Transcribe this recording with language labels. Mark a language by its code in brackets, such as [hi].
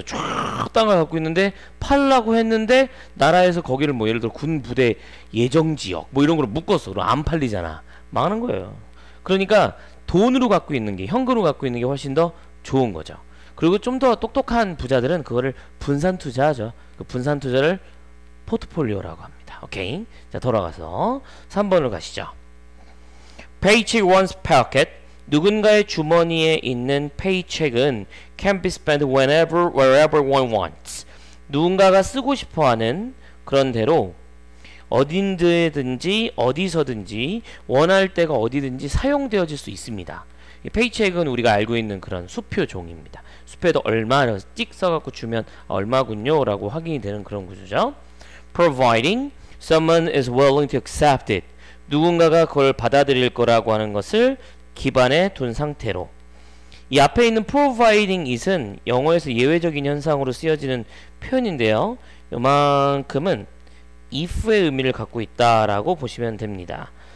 [ko] 쫙 땅을 갖고 있는데 팔라고 했는데 나라에서 거기를 뭐 예를 들어 군부대 예정지역 뭐 이런 걸 묶어서 그럼 안 팔리잖아. 망하는 거예요. 그러니까 돈으로 갖고 있는 게, 현금으로 갖고 있는 게 훨씬 더 좋은 거죠. 그리고 좀 더 똑똑한 부자들은 그거를 분산 투자하죠. 그 분산 투자를 포트폴리오라고 합니다. 오케이. 자, 돌아가서 3번으로 가시죠. [en] Paycheck one's pocket. [ko] 누군가의 주머니에 있는 [en] paycheck은 can be spent whenever, wherever one wants. [ko] 누군가가 쓰고 싶어 하는 그런 대로 어딘데든지 어디서든지 원할 때가 어디든지 사용되어질 수 있습니다. 이 페이첵은 우리가 알고 있는 그런 수표 종입니다. 수표에도 얼마를 찍 써갖고 주면 얼마군요 라고 확인이 되는 그런 구조죠. [en] Providing someone is willing to accept it. [ko] 누군가가 그걸 받아들일 거라고 하는 것을 기반에 둔 상태로. 이 앞에 있는 providing it은 영어에서 예외적인 현상으로 쓰여지는 표현인데요. 요만큼은 if의 의미를 갖고 있다라고 보시면 됩니다.